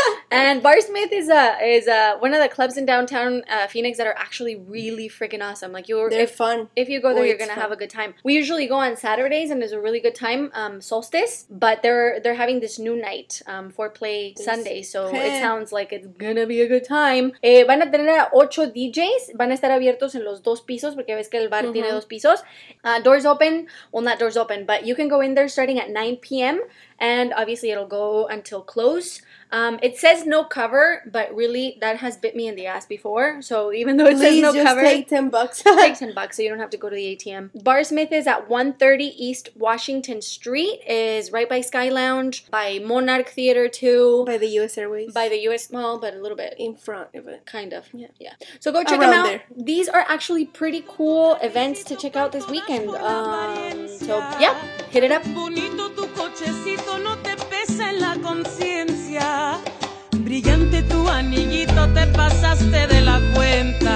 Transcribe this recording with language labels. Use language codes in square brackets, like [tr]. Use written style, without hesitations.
[en] And Bar Smith is one of the clubs in downtown Phoenix that are actually really freaking awesome. Like, they're fun. If you go there, you're gonna have a good time. We usually go on Saturdays and it's a really good time, solstice, but they're having this new night, Foreplay Sunday, so it sounds like it's gonna be a good time. [es] Van a tener a 8 DJs, van a estar abiertos en los dos pisos, porque ves que el bar tiene dos pisos. [en] Doors open, well, not doors open, but you can go in there starting at 9 p.m., and obviously it'll go until close. It says no cover, but really, that has bit me in the ass before. So even though it Please says no just cover, take $10. Take $10, so you don't have to go to the ATM. Bar Smith is at 130 East Washington Street. Is right by Sky Lounge, by Monarch Theater too. By the U.S. Airways. By the U.S. Mall, but a little bit. In front of it. Kind of, yeah. So go check them out. There. These are actually pretty cool events to check out this weekend. So, yeah, hit it up. [es] No te pesa en la conciencia. Brillante tu anillito, te pasaste de la cuenta.